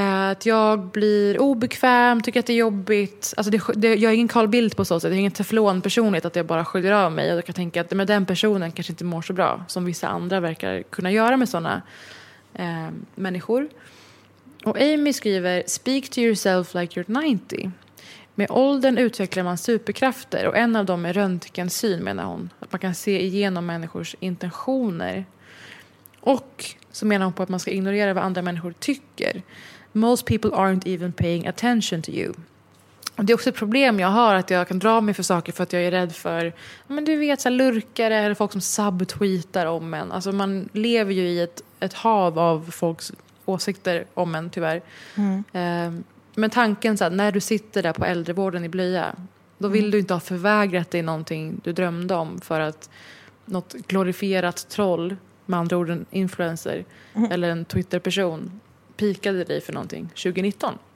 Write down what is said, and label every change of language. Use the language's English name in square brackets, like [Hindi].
[Swedish] Att jag blir obekväm, tycker att det är jobbigt. Alltså jag är ingen Carl Bildt på så sätt. Jag är ingen teflon personligt att jag bara skyller av mig. Jag kan tänka att men den personen kanske inte mår så bra som vissa andra verkar kunna göra med såna människor. Och Amy skriver: [English] speak to yourself like you're 90. [Swedish] Med åldern utvecklar man superkrafter och en av dem är röntgensyn, menar hon. Att man kan se igenom människors intentioner. Och så menar hon på att man ska ignorera vad andra människor tycker. [English] Most people aren't even paying attention to you. [Swedish] Och det är också ett problem jag har, att jag kan dra mig för saker för att jag är rädd för, men du vet, så här lurkare eller folk som subtweetar om en. Alltså man lever ju i ett hav av folks åsikter om en, tyvärr. Men tanken så här, när du sitter där på äldrevården i blöja, då vill du inte ha förvägrat dig någonting du drömde om för att något glorifierat troll, med andra ord en influencer eller en Twitterperson, pikade dig för någonting 2019.